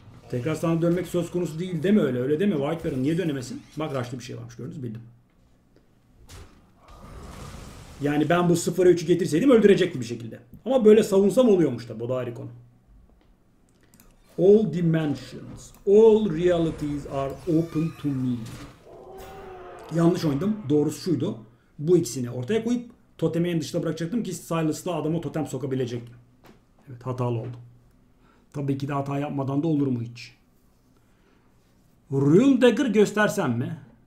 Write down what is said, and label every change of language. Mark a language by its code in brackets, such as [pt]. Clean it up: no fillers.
[tr] Tekrar sana dönmek söz konusu değil, değil mi öyle? Öyle deme Whitebear'ın. Niye dönemesin? Bak rush'lı bir şey varmış, gördünüz bildim. Yani ben bu 0-3'ü getirseydim öldürecekti bir şekilde. Ama böyle savunsam oluyormuş da. Bu da ayrı konu. [en] All dimensions, all realities are open to me. [tr] Yanlış oynadım. Doğrusu şuydu. Bu ikisini ortaya koyup totemi en dışına bırakacaktım ki Silas'la adama totem sokabilecek. Evet, hatalı oldu. Tabii ki de hata yapmadan da olur mu hiç? Rune Dagger göstersem mi?